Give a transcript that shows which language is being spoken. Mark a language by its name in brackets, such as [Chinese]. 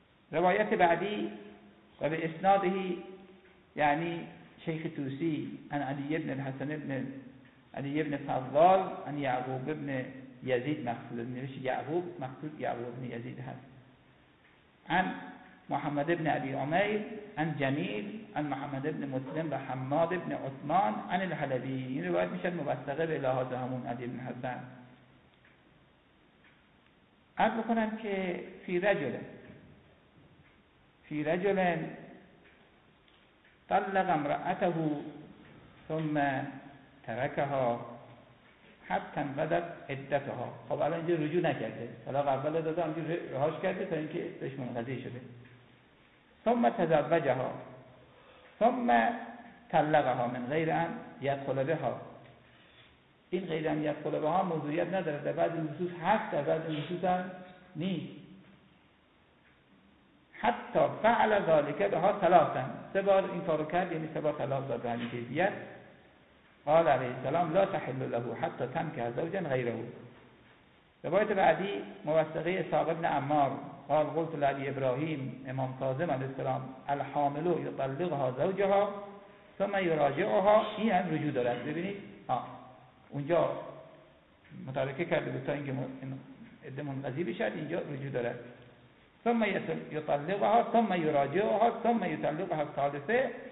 [Persian] روایت بعدی و به اسناده یعنی شیخ طوسی عن علی ابن الحسن ابن علی ابن فضال عن یعقوب ابن یزید، مقصود نمیشه یعقوب، مقصود یعقوب ابن یزید هست، عن محمد ابن ابی عمیر عن جمیل عن محمد ابن مسلم و حماد ابن عثمان عن الحلبی. این روایت میشه موثقه به لحاظ همون علی ابن حسن. عرض بکنم که [Arabic] فی رجل طلق امرأته ثم ترکها حتی بدت عدتها. [Persian] خب الان اینجا رجوع نکرده، طلاق اول داده اونجا رهاش کرده تا اینکه بهش منقضی شده. [Arabic] ثم تزوجها ثم طلقها من غیر ان یدخل بها. [Persian] این [Arabic] غیر ان یدخل بها [Persian] موضوعیت نداره، در بعضی خصوص هست در بعضی خصوص هم نیست. [Arabic] حتی فعل ذالکه بها ثلاثا، [Persian] سه بار این کارو کرد یعنی سه بار طلاق داده همین کیفیت. [Arabic] قال علیه السلام لا تحل له حتی تنکح زوجا غیره. [Persian] روایت بعدی موثقه [Arabic] اسحاق بن عمار قال قلت لعلی ابراهیم امام کاظم علیه السلام الحامل یطلقها زوجها ثم یراجعها. [Persian] این هم رجوع دارد. ببینید اونجا متارکه کرده بود تا اینکه عده منقضی بشد، اینجا رجوع دارد. [Arabic] ثم یطلقها ثم یراجعها ثم یطلقها الثالثه.